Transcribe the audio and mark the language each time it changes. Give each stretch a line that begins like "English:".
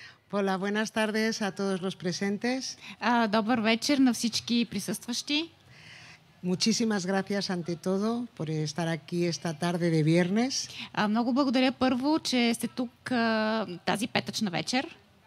Spanish: Hola, buenas tardes a todos los presentes.
Bulgarian: Добър вечер на всички присъстващи.
Spanish: Muchísimas gracias ante todo por estar aquí esta tarde de viernes.
Bulgarian: Много благодаря първо, че сте тук тази петъчна вечер.